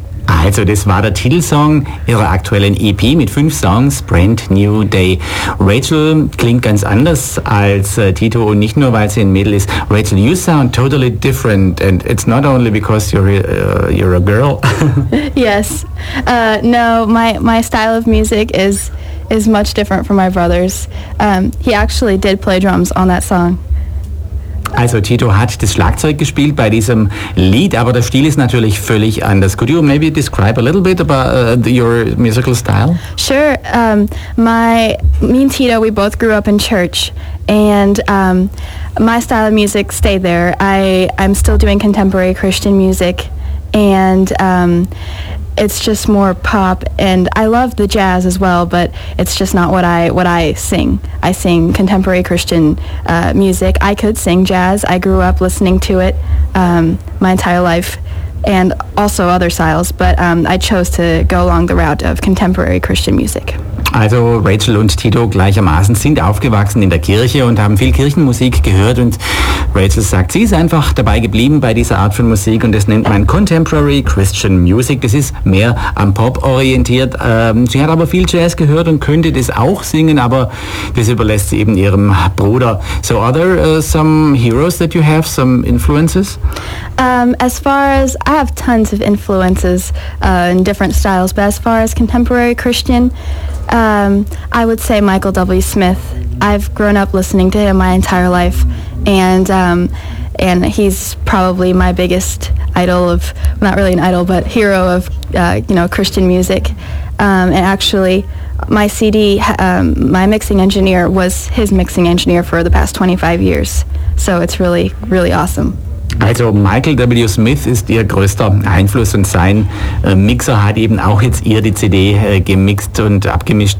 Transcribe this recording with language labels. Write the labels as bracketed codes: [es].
[de] Also, das war der Titelsong ihrer aktuellen EP mit 5 Songs, Brand New Day. Rachel klingt ganz anders als Tito und nicht nur, weil sie ein Mädel ist. [en] Rachel, you sound totally different and it's not only because you're a girl. Yes. No, my style of music is much different from my brother's. He actually did play drums on that song. [de] Also Tito hat das Schlagzeug gespielt bei diesem Lied, aber der Stil ist natürlich völlig anders. [en] Could you maybe describe a little bit about your musical style? Sure. Me and Tito, we both grew up in church, and my style of music stayed there. I'm still doing contemporary Christian music, and it's just more pop, and I love the jazz as well, but it's just not what I sing. I sing contemporary Christian music. I could sing jazz. I grew up listening to it my entire life, and also other styles, but I chose to go along the route of contemporary Christian music. [de] Also Rachel und Tito gleichermaßen sind aufgewachsen in der Kirche und haben viel Kirchenmusik gehört und Rachel sagt, sie ist einfach dabei geblieben bei dieser Art von Musik und das nennt man Contemporary Christian Music. Das ist mehr am Pop orientiert. Sie hat aber viel Jazz gehört und könnte das auch singen, aber das überlässt sie eben ihrem Bruder. [en] So are there some heroes that you have, some influences? As far as, I have tons of influences in different styles, but as far as contemporary Christian, I would say Michael W. Smith. I've grown up listening to him my entire life, and he's probably my biggest idol of, not really an idol, but hero of, you know, Christian music. And actually, my CD, my mixing engineer was his mixing engineer for the past 25 years. So it's really, really awesome. [de] Also Michael W. Smith ist ihr größter Einfluss und sein Mixer hat eben auch jetzt ihr die CD gemixt und abgemischt.